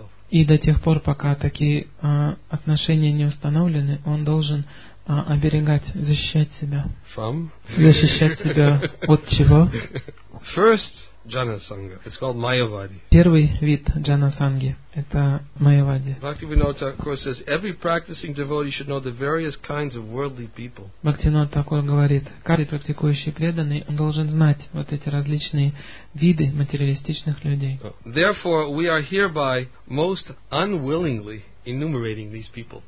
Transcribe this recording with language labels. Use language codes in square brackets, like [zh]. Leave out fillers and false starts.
[ru] И до тех пор, пока такие отношения не установлены, он должен оберегать, защищать себя. [en] From? [ru] Защищать себя от чего? [en] First, jhana sangha. It's called mayavadi. [ru] Первый вид джана санги – это майявади. [en] Bhaktivinoda Thakur says every practicing devotee should know the various kinds of worldly people. [ru] Bhaktivinoda Thakur говорит, каждый практикующий преданный должен знать вот эти различные виды материалистичных людей. [en] Therefore, we are hereby most unwillingly enumerating these people.